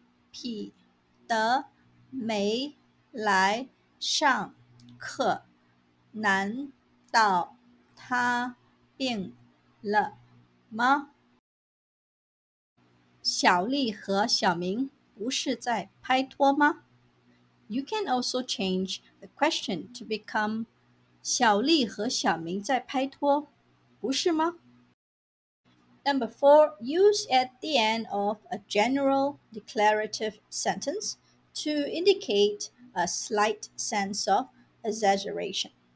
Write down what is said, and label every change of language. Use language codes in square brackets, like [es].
[zh] 彼得没来上课，难道他病了吗？小丽和小明不是在拍拖吗？ [en] You can also change the question to become [zh] 小丽和小明在拍拖，不是吗？ [en] Number 4, use at the end of a general declarative sentence to indicate a slight sense of exaggeration.